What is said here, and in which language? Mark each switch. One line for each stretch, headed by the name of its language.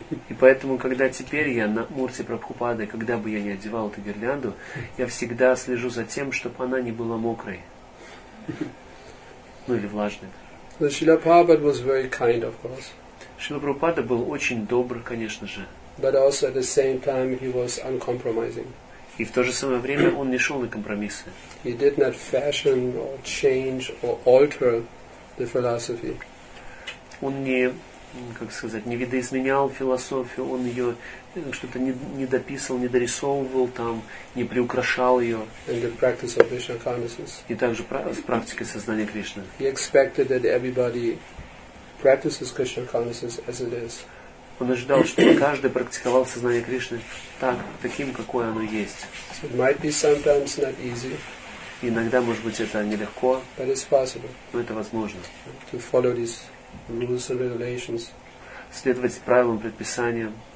Russian: И поэтому, когда теперь я на мурти Прабхупады, когда бы я ни одевал эту гирлянду, я всегда слежу за тем, чтобы она не была мокрой. Ну или влажной.
English: So Srila Prabhupada was very kind, of course.
Russian: Srila Prabhupada был очень добр, конечно же.
English: But also at the same time he was uncompromising.
Russian: И в то же самое время он не шел на компромиссы.
English: He did not fashion or change or alter the philosophy.
Russian: Он не, как сказать, не видоизменял философию, он ее что-то не дописывал, не дорисовывал там, не приукрашал ее.
English: And the practice of Krishna consciousness.
Russian: И также с практикой сознания Кришны.
English: He expected that everybody practices Krishna consciousness as it is.
Russian: Он ожидал, что каждый практиковал сознание Кришны так, таким, какое оно есть.
English: So it might be sometimes not easy.
Russian: Иногда, может быть, это нелегко,
English: but it's possible.
Russian: Но это возможно.
English: To follow these rules and regulations.
Russian: Следовать правилам, предписаниям.